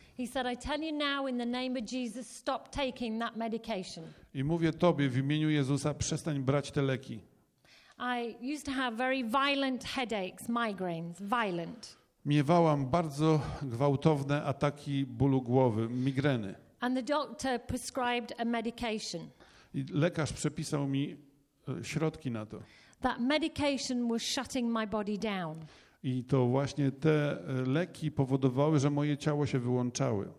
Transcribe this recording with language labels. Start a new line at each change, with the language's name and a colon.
English: He said, I tell you now in the name of Jesus, stop taking that medication.
Polish: I mówię tobie w imieniu Jezusa, przestań brać te leki.
English: I used to have very violent headaches, migraines, violent.
Polish: Miewałam bardzo gwałtowne ataki bólu głowy, migreny.
English: And the doctor prescribed a medication.
Polish: I lekarz przepisał mi środki na to.
English: That medication was shutting my body down.
Polish: I to właśnie te leki powodowały, że moje ciało się wyłączały.